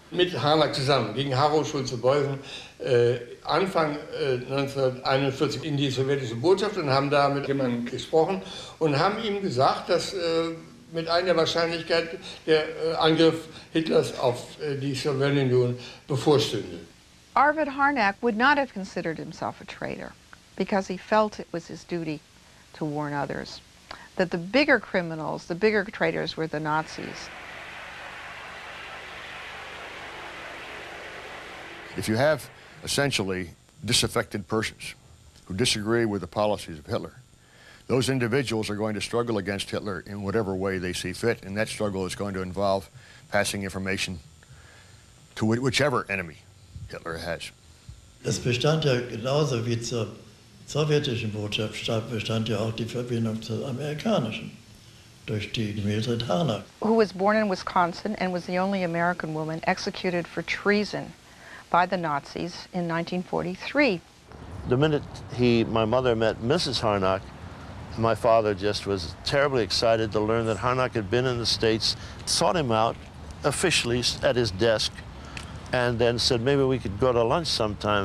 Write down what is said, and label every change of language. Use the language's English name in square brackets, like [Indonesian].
[German] Mit Harnack zusammen gegen Haro Schulze-Boysen Anfang 1941 in die sowjetische Botschaft und haben da mit jemandem gesprochen und haben ihm gesagt, dass mit einer Wahrscheinlichkeit der Angriff Hitlers auf die Sowjetunion bevorstünde. [English] Arvid Harnack would not have considered himself a traitor because he felt it was his duty to warn others that the bigger criminals, the bigger traitors were the Nazis. If you have essentially disaffected persons who disagree with the policies of Hitler, those individuals are going to struggle against Hitler in whatever way they see fit, and that struggle is going to involve passing information to whichever enemy Hitler has. [German] Es bestand ja genauso wie zur sowjetischen Botschaft, bestand ja auch die Verbindung zur amerikanischen durch die Mildred Harnack. [English] Who was born in Wisconsin and was the only American woman executed for treason by the Nazis in 1943. The minute my mother met Mrs. Harnack, my father just was terribly excited to learn that Harnack had been in the States, sought him out officially at his desk, and then said, maybe we could go to lunch sometime.